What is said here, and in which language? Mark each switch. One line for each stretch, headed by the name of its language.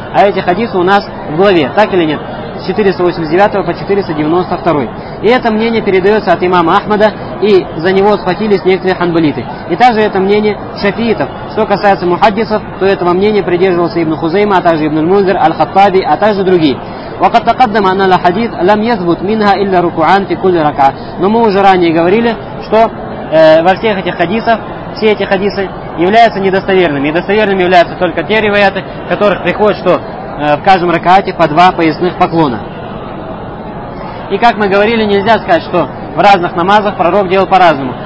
Russian: А эти хадисы у нас в главе, так или нет? С 489 по 492. И это мнение передается от имама Ахмада, и за него схватились некоторые ханбалиты. И также это мнение шафиитов. Что касается мухаддисов, то этого мнения придерживался ибн Хузейма, а также ибн Мунзир, аль-Хаттаби, а также другие.
Arabic: وقد تقدم أن الحديث لم يثبت منها إلا ركوعان في كل ركعة.
Russian: Но мы уже ранее говорили, что во всех этих хадисах, все эти хадисы являются недостоверными. И достоверными являются только те риваяты, в которых приходит, что в каждом ракаате по два поясных поклона. И как мы говорили, нельзя сказать, что в разных намазах пророк делал по-разному.